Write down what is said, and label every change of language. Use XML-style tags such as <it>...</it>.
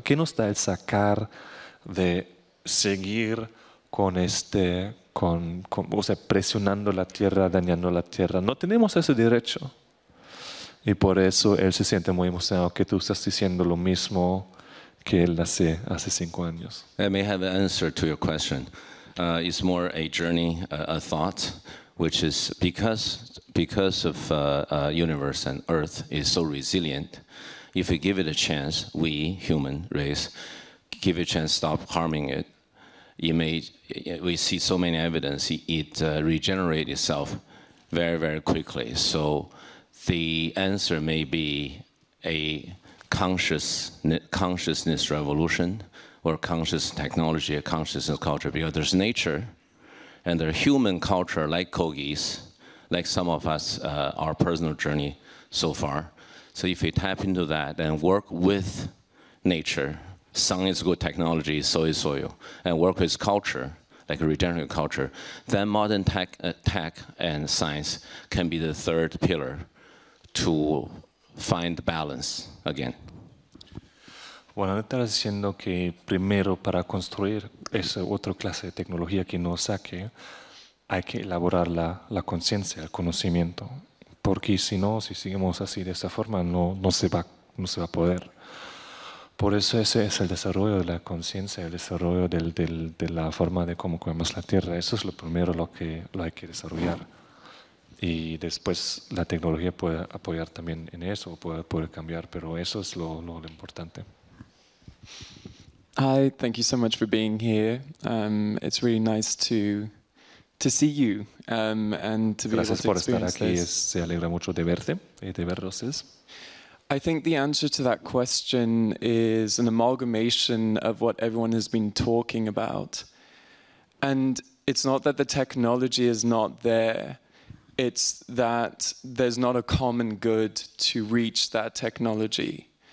<es>¿Qué nos da el sacar de seguir con este... o sea, presionando la tierra, dañando la tierra? No tenemos ese derecho. Y por eso él se siente muy emocionado que tú estás diciendo lo mismo que él hace 5 años.</es> <en>I may have an answer to your question. It's more a journey, a thought, which is because of universe and earth is so resilient, if we give it a chance, we, human race, give it a chance, stop harming it, we see so many evidence, it regenerates itself very, very quickly. So the answer may be a consciousness revolution or conscious technology, a consciousness culture, because there's nature and there's human culture like Kogi's, like some of us, our personal journey so far. So if we tap into that and work with nature, sun is good technology, so is soil, and work with culture, like a regenerative culture, then modern tech and science can be the third pillar to find balance again.</en> <es>Bueno, él está diciendo que primero para construir esa otra clase de tecnología que no saque, hay que elaborar la conciencia, el conocimiento, porque si no, si seguimos así de esta forma, no se va a poder. Por eso ese es el desarrollo de la conciencia, el desarrollo de la forma de cómo comemos la tierra. Eso es lo primero lo hay que desarrollar. Y después la tecnología puede apoyar también en eso, puede cambiar, pero eso es lo importante.</es> <en>Hi, thank you so much for being here. It's really nice to see you and to be</en> <es>Gracias</es> <en>able to</en> <es>por estar aquí.</es> <en>This.</en> <es>Se alegra mucho de verte y de verlos.</es> <en>I think the answer to that question is an amalgamation of what everyone has been talking about. And it's not that the technology is not there, it's that there's not a common good to reach that technology.</en>